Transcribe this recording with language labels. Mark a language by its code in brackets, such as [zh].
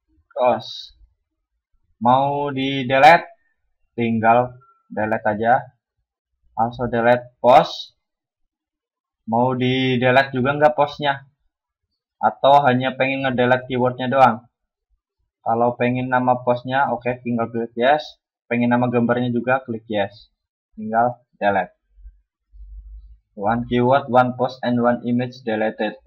[id] Terus mau di delete tinggal delete aja, [en] also delete post. [id] Mau di delete juga enggak postnya atau hanya pengen ngedelete keywordnya doang. Kalau pengen nama postnya, oke, tinggal klik yes. Pengen nama gambarnya juga, klik yes. Tinggal delete. [en] One keyword, one post, and one image deleted.